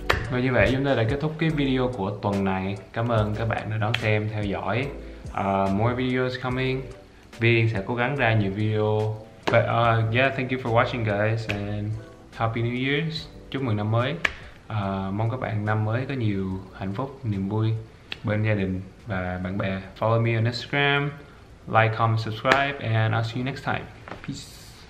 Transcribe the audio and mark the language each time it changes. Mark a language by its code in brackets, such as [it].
[vi] Và như vậy chúng ta đã kết thúc cái video của tuần này. Cảm ơn các bạn đã đón xem, theo dõi. [en] More videos coming. [vi] Viên sẽ cố gắng ra nhiều video. [en] But yeah, thank you for watching guys. And happy new years. [vi] Chúc mừng năm mới. Mong các bạn năm mới có nhiều hạnh phúc, niềm vui bên gia đình và bạn bè. [en] Follow me on Instagram. Like, comment, subscribe. And I'll see you next time. Peace.